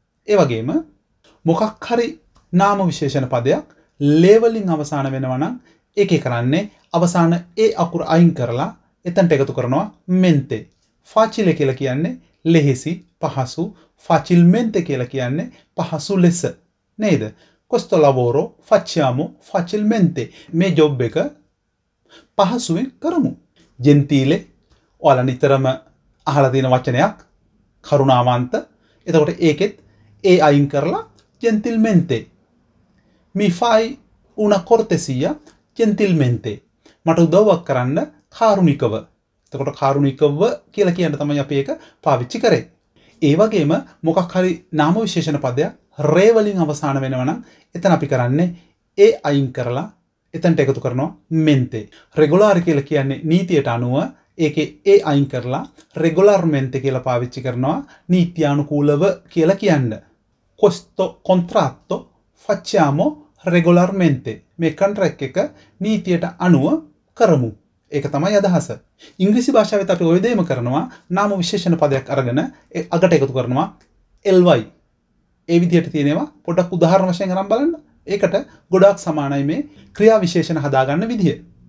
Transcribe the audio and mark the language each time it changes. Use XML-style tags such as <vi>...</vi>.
<si>ඒ වගේම මොකක් හරි නාම විශේෂණ පදයක් ලේවලින් අවසාන වෙනවා නම් ඒකේ කරන්නේ අවසාන ඒ අකුර අයින් කරලා එතනට එකතු කරනවා mente. facile කියලා කියන්නේ ලෙහෙසි, පහසු. facilmente කියලා කියන්නේ පහසු ලෙස නේද?</si> <it>questo lavoro facciamo facilmente.</it> <si>මේ ජොබ් එක පහසුවෙන් කරමු. gentile ඔයාලා නිතරම අහලා තියෙන වචනයක්, කරුණාවන්ත. එතකොට ඒකෙත් ඒ අයින් කරලා gentilmente.</si> <it>mi fai una cortesia gentilmente.</it> <si>මට උදව්වක් කරන්න කාරුණිකව. එතකොට කාරුණිකව කියලා කියන්න තමයි අපි ඒක පාවිච්චි කරේ. ඒ වගේම මොකක් හරි නාම විශේෂණ පදයක් රේ වලින් අවසාන වෙනවා නම් එතන අපි කරන්නේ ඒ අයින් කරලා එතනට එකතු කරනවා mente. regular කියලා කියන්නේ නීතියට අනුව ඒකේ ඒ අයින් කරලා regularmente කියලා පාවිච්චි කරනවා නීත්‍යානුකූලව කියලා කියන්න.</si> <it>questo contratto facciamo regularmente.</it> <si>මේ contract එක නීතියට අනුව කරමු. ඒක තමයි අදහස. ඉංග්‍රීසි භාෂාවෙත් අපි ඔය දෙයම කරනවා. නාම විශේෂණ පදයක් අරගෙන අගට එකතු කරනවා ly. ඒ විදිහට තියෙනවා. පොඩක් උදාහරණ වශයෙන් අරන් බලන්න. ඒකට ගොඩාක් සමානයි මේ ක්‍රියා විශේෂණ හදාගන්න විදිය.</si>